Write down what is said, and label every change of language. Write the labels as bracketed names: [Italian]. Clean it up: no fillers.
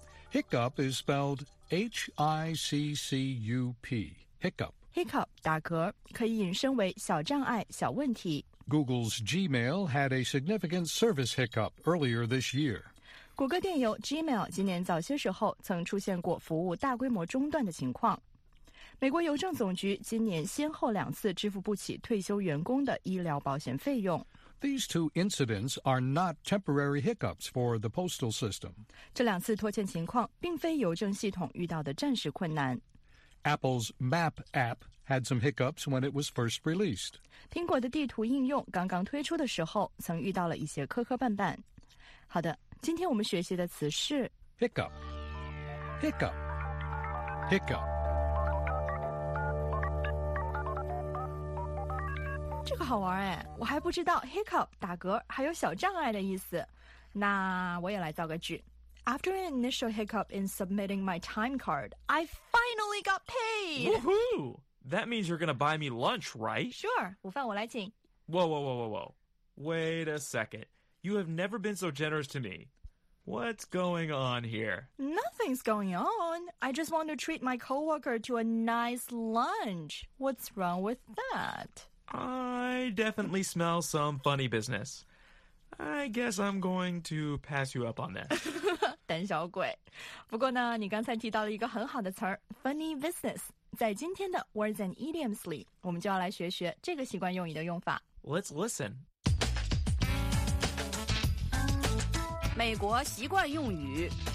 [English] Hiccup is spelled H-I-C-C-U-P. Hiccup. [Chinese] Hiccup, 打嗝,可以引申为小障碍,小问题。 [English] Google's Gmail had a significant service hiccup earlier this year. [Chinese] 谷歌电邮 Gmail 今年早些时候曾出现过服务大规模中断的情况。美国邮政总局今年先后两次支付不起退休员工的医疗保险费用。 [English] These two incidents are not temporary hiccups for the postal system. [Chinese] 这两次拖欠情况并非邮政系统遇到的暂时困难。 [English] Apple's Map app had some hiccups when it was first released. [Chinese] 苹果的地图应用刚刚推出的时候曾遇到了一些磕磕绊绊。好的，今天我们学习的词是 [English] Hiccup. Hiccup. Hiccup. [Chinese] 这个好玩哎，我还不知道 hiccup 打嗝还有小障碍的意思。那我也来造个句。 [English] After an initial hiccup in submitting my time card, I finally got paid! Woohoo! That means you're going to buy me lunch, right? [Chinese] Sure, 午饭我来请。 [English] Whoa, whoa, whoa, whoa, whoa. Wait a second. You have never been so generous to me. What's going on here? Nothing's going on. I just want to treat my coworker to a nice lunch. What's wrong with that? I definitely smell some funny business. I guess I'm going to pass you up on that. [Chinese] 胆小鬼。不过呢，你刚才提到了一个很好的词儿 ， funny business。在今天的 Words and Idioms 里，我们就要来学学这个习惯用语的用法。 [English] Let's listen。 [Chinese] 美国习惯用语